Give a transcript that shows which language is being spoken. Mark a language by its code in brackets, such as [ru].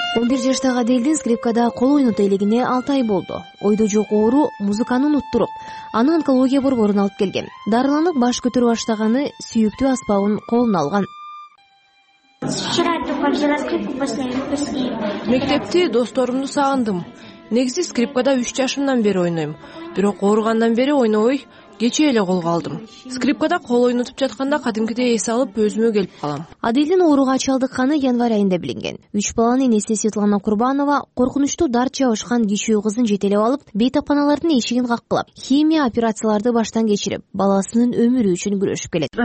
[ky] Бир жаштагы Аделдин скрипкада кол ойноту элегине 6 ай болду. Ойдо жок оору музыканы унуттуруп, аны онкология борборуна алып келген. Дарыланып баш көтөрө баштаганы сүйүктүү аспабын колуна алган. [ru] Вчера только взяла скрипку после выпуски. [ky] Мектепти, досторумду сагындым. Негизи скрипкада 3 жашымдан бери ойнойм. Бирок ооругандан бери ойнобой, кечээ эле колго алдым. Скрипкада кол ойнотуп жатканда кадимкидей эс алып өзүмө келип калам. Аделдин ооруга чалдыкканы январь айында билинген. 3 баланын энеси Светлана Курбанова коркунучтуу дарт чабышкан кичүү кызын жетелеп алып, бейтапаналардын эшигин каккылап, химия операцияларды баштан кечирип, баласынын өмүрү үчүн күрөшүп келет.